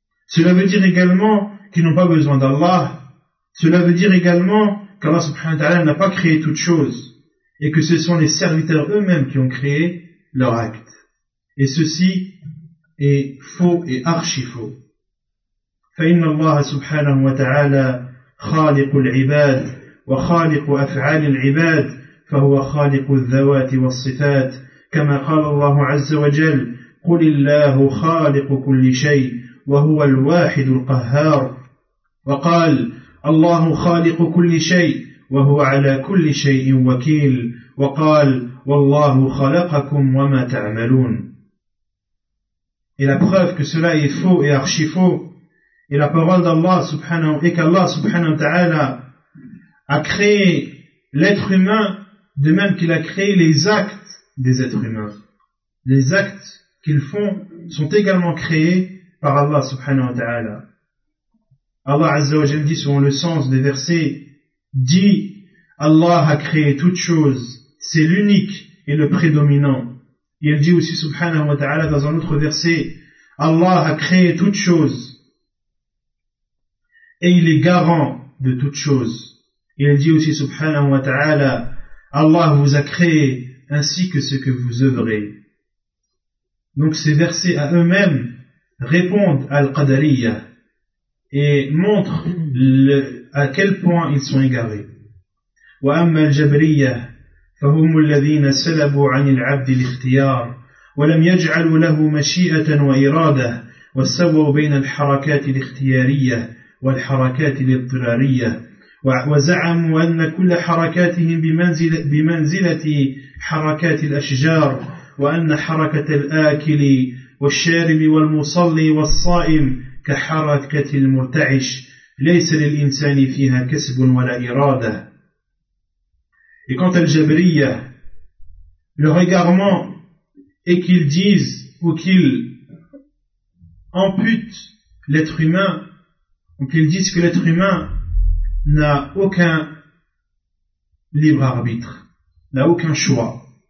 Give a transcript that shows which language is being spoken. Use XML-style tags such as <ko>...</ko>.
<fr>Cela veut dire également qu'ils n'ont pas besoin d'Allah. Cela veut dire également qu'Allah subhanahu wa ta'ala n'a pas créé toute chose et que ce sont les serviteurs eux-mêmes qui ont créé leur acte. Et ceci est faux et archi faux.</fr> <ar>فإن الله سبحانه وتعالى خالق العباد وخالق أفعال العباد فهو خالق الذوات والصفات كما قال الله عز وجل قل الله خالق كل شيء وهو الواحد القهار وقال الله خالق كل شيء وهو على كل شيء وكيل وقال والله خلقكم وما تعملون.</ar> <fr>Et la preuve que cela est faux et archi faux est la parole d'Allah subhanahu et qu'Allah subhanahu wa ta'ala a créé l'être humain de même qu'il a créé les actes des êtres humains. Les actes qu'ils font sont également créés par Allah subhanahu wa ta'ala. Allah Azza wa Jalla dit selon le sens des versets, dit Allah a créé toutes choses, c'est l'unique et le prédominant. Et il dit aussi subhanahu wa ta'ala dans un autre verset, Allah a créé toutes choses et il est garant de toutes choses. Et il dit aussi subhanahu wa ta'ala, Allah vous a créé ainsi que ce que vous œuvrez. Donc ces versets à eux-mêmes répondent à al-qadariyya et montrent à quel point ils sont égarés.</fr> <ar>Wa amma al-jabriyya fahum alladhina salabu 'an al-'abd al-ikhtiyar wa lam yaj'alu lahu mashi'atan wa irada wa sawwa bayna al-harakat al-ikhtiyariyya والحركات الاضطرارية وزعموا أن كل حركاتهم بمنزلة حركات الأشجار وأن حركة الآكل والشارب والمصلي والصائم كحركة المرتعش ليس للإنسان فيها كسب ولا إرادة.</ar> <fr>Et quant à l'Jabriya, leur égarement est qu'ils disent ou qu'ils amputent l'être humain. Donc ils disent que l'être humain n'a aucun libre arbitre, n'a aucun choix.</fr>